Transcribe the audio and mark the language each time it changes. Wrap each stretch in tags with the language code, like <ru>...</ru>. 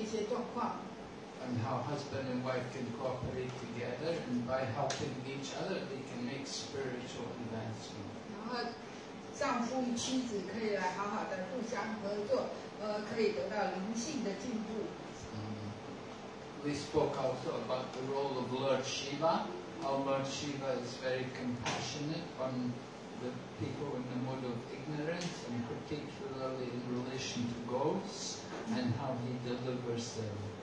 <en>And how husband and wife can cooperate together, and by helping each other, they can make spiritual advancement.</en> <zh>然后丈夫与妻子可以来好好的互相合作，可以得到灵性的进步。</zh> <en>We spoke also about the role of Lord Shiva, how Lord Shiva is very compassionate on the people in the mode of ignorance, and particularly in relation to ghosts, and how he delivers them.</en>